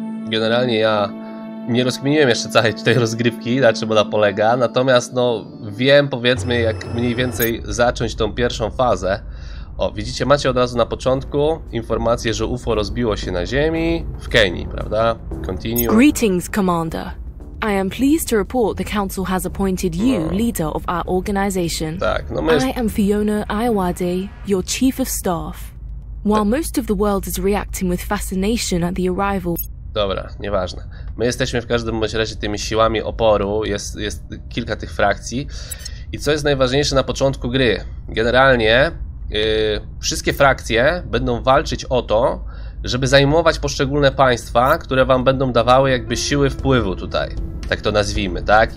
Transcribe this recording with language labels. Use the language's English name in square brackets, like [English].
[Polish] Generalnie ja nie rozkminiłem jeszcze całej tutaj rozgrywki, na czym ona polega, natomiast no wiem, powiedzmy, jak mniej więcej zacząć tą pierwszą fazę. O, widzicie, macie od razu na początku informację, że UFO rozbiło się na Ziemi w Kenii, prawda? [English] Continue. Greetings, Commander. I am pleased to report the council has appointed you leader of our organization. [Polish] Tak, no [English] I am Fiona Iwade, your chief of staff. While most of the world is reacting with fascination at the arrival. [Polish] Dobra, nieważne. My jesteśmy w każdym razie tymi siłami oporu, jest kilka tych frakcji. I co jest najważniejsze na początku gry? Generalnie wszystkie frakcje będą walczyć o to, żeby zajmować poszczególne państwa, które wam będą dawały jakby siły wpływu tutaj, tak to nazwijmy, tak?